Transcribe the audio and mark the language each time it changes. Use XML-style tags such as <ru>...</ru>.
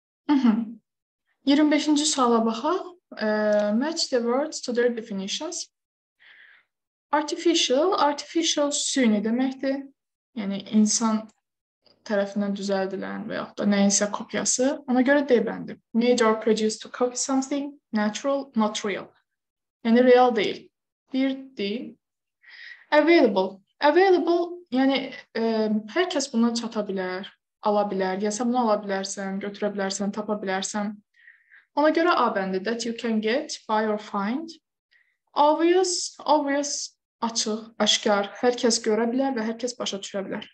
<az>Mm-hmm. 25-ci suala baxaq.</az> <en>Match the words to their definitions. Artificial, artificial</en> <az>süni deməkdir. Yəni, insan tərəfindən düzəldilən və yaxud da nəyinsə kopyası. Ona görə D bəndi.</az> <en>Made or produced to copy something, natural, not real.</en> <az>Yəni, real deyil. Bir D. Available. Available, yəni, hər kəs bundan çata bilər, ala bilər. Yəni, sən bunu ala bilərsən, götürə bilərsən, tapa bilərsən. Ona görə A bəndi.</az> <en>That you can get, buy or find.</en> <az>Obvious, obvious, açıq, aşkar, hər kəs görə bilər və hər kəs başa düşə bilər.</az>